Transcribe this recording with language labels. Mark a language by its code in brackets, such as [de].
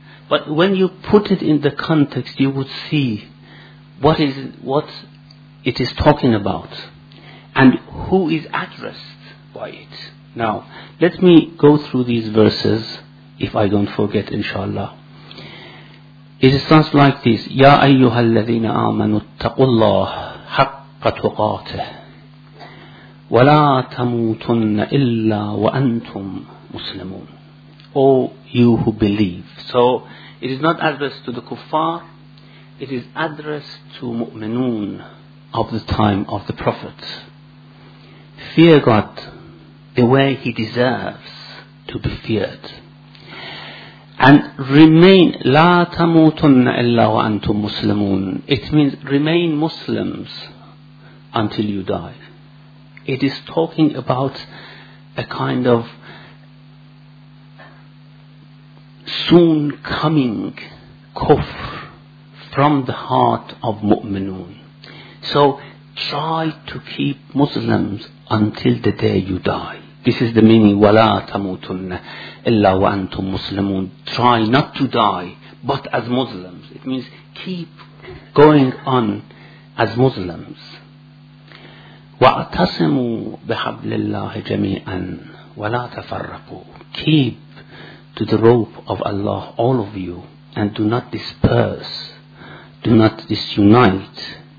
[en] But when you put it in the context, you would see what it is talking about and who is addressed by it. Now, let me go through these verses, if I don't forget, inshallah. It sounds like this. [ar] يَا أَيُّهَا الَّذِينَ آمَنُوا اتَّقُوا اللَّهَ حَقَّ تُقَاتِهِ وَلَا تَمُوتُنَّ إِلَّا وَأَنْتُمْ مُسْلِمُونَ. [en] O you who believe. So, it is not addressed to the kuffar, it is addressed to mu'minun of the time of the Prophet. Fear God the way he deserves to be feared. And remain, [ar] لَا تَمُوتُنَّ إِلَّا وَأَنْتُمْ مُسْلِمُونَ. [en] It means remain Muslims until you die. It is talking about a kind of soon coming kufr from the heart of mu'minun. So try to keep Muslims until the day you die. This is the meaning, [ar] وَلَا تَمُوتُنَّ إِلَّا وَأَنْتُمْ مُسْلِمُونَ. [en] Try not to die, but as Muslims. It means keep going on as Muslims. [ar] وَاَعْتَصِمُوا بِحَبْلِ اللَّهِ جَمِيعًا وَلَا تَفَرَّقُوا. [en] Keep to the rope of Allah, all of you, and do not disperse, do not disunite.